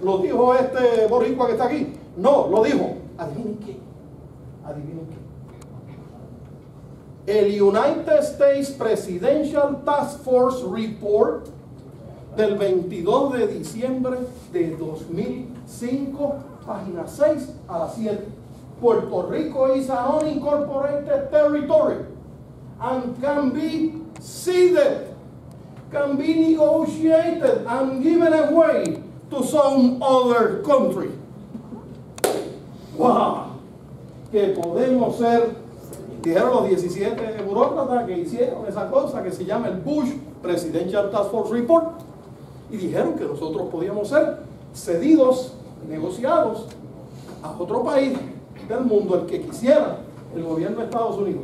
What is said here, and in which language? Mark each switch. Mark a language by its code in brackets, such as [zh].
[es] ¿Lo dijo este boricua que está aquí? No, lo dijo. ¿Adivinen qué? ¿Adivinen qué? El United States Presidential Task Force Report del 22 de diciembre de 2005, página 6 a la 7. [en] Puerto Rico is an unincorporated territory and can be ceded, can be negotiated and given away to some other country. ¡Wow! [es] Que podemos ser, dijeron los 17 burócratas que hicieron esa cosa que se llama el Bush Presidential Task Force Report. Y dijeron que nosotros podíamos ser cedidos, negociados a otro país del mundo, el que quisiera, el gobierno de Estados Unidos.